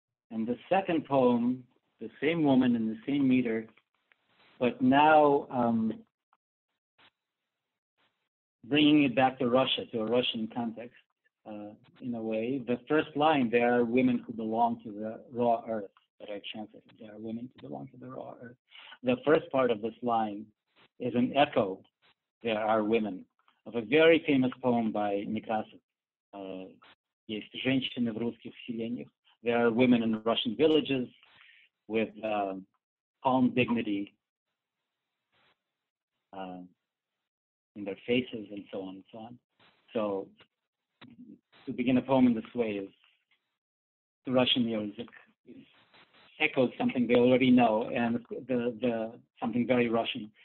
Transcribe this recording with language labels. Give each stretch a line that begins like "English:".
English: And the second poem, the same woman in the same meter, but now bringing it back to Russia, to a Russian context, in a way. The first line, there are women who belong to the raw earth, that I translated, there are women who belong to the raw earth. The first part of this line is an echo, there are women, of a very famous poem by Некрасов.
Russian: Есть женщины в русских селениях.
English: There are women in Russian villages with calm dignity in their faces and so on and so on. So So to begin a poem in this way is the Russian music echoes something they already know, and the something very Russian.